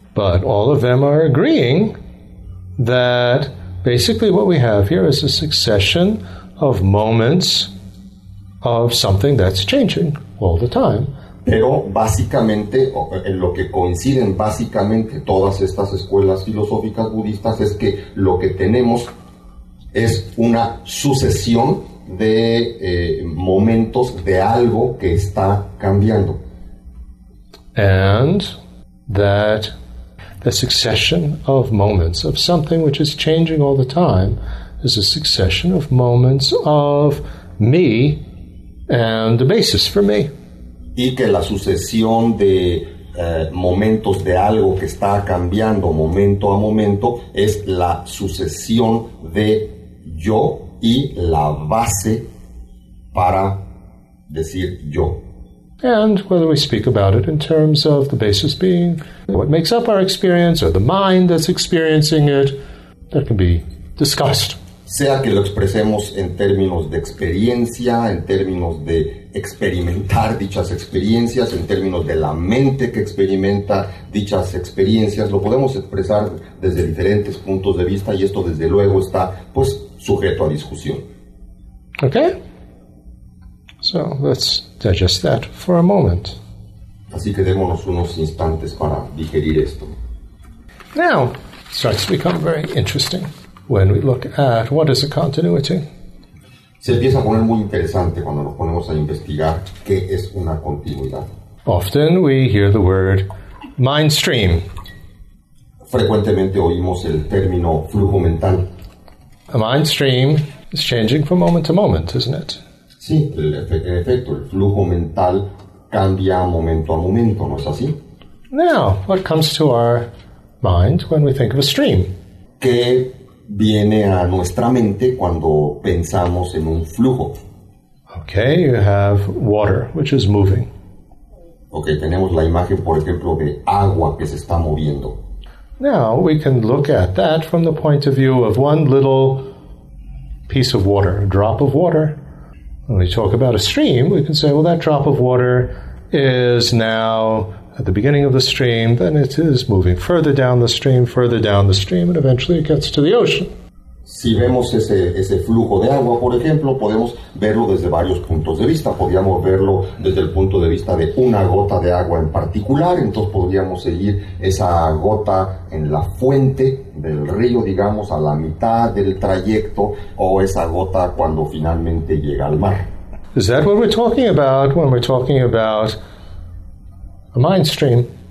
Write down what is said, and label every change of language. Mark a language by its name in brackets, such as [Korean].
[English] But all of them are agreeing that basically what we have here is a succession of moments of something that's changing all the time. [Spanish] Pero básicamente, en lo que coinciden básicamente todas estas escuelas filosóficas budistas es que lo que tenemos es una sucesión de momentos de algo que está cambiando. [English] And that the succession of moments of something which is changing all the time is a succession of moments of me and the basis for me. [Spanish] Y que la sucesión de momentos de algo que está cambiando momento a momento es la sucesión de yo y la base para decir yo. [English] And whether we speak about it in terms of the basis being what makes up our experience or the mind that's experiencing it, that can be discussed. [Spanish] Sea que lo expresemos en términos de experiencia, en términos de experimentar dichas experiencias, en términos de la mente que experimenta dichas experiencias, lo podemos expresar desde diferentes puntos de vista, y esto desde luego está pues sujeto a discusión. [English] Okay. So let's digest that for a moment. [Spanish] Así que démonos unos instantes para digerir esto. [English] Now, it starts to become very interesting when we look at what is a continuity. [Spanish] Se empieza a poner muy interesante cuando nos ponemos a investigar qué es una continuidad. [English] Often we hear the word mind stream. [Spanish] Frecuentemente oímos el término flujo mental. [English] A mind stream is changing from moment to moment, isn't it? [Spanish] Sí, en efecto, el flujo mental cambia momento a momento, ¿no es así? [English] Now, what comes to our mind when we think of a stream? [Spanish] ¿Qué viene a nuestra mente cuando pensamos en un flujo? [English] Okay, you have water, which is moving. [Spanish] Okay, tenemos la imagen, por ejemplo, de agua que se está moviendo. [English] Now, we can look at that from the point of view of one little piece of water, a drop of water. When we talk about a stream, we can say, well, that drop of water is now at the beginning of the stream, then it is moving further down the stream, and eventually it gets to the ocean. [Spanish] Si vemos ese flujo de agua, por ejemplo, podemos verlo desde varios puntos de vista. Podríamos verlo desde el punto de vista de una gota de agua en particular, entonces podríamos seguir esa gota en la fuente del río, digamos, a la mitad del trayecto, o esa gota cuando finalmente llega al mar. [English] Is that what we're talking about when we're talking about a mind stream?